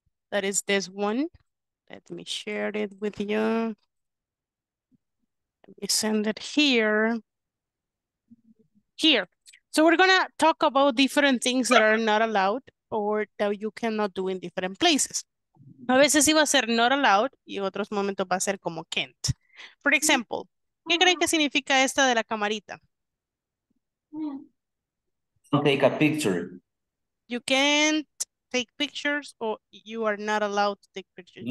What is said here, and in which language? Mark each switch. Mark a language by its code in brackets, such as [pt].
[en] That is this one. Let me share it with you. Let me send it here. Here. So we're going to talk about different things that are not allowed or that you cannot do in different places. [es] A veces iba a ser not allowed y otros momentos va a ser como can't. [en] For example, [es] ¿qué creen que significa esta de la camarita? [en] Don't take a picture. You can't take pictures or you are not allowed to take pictures.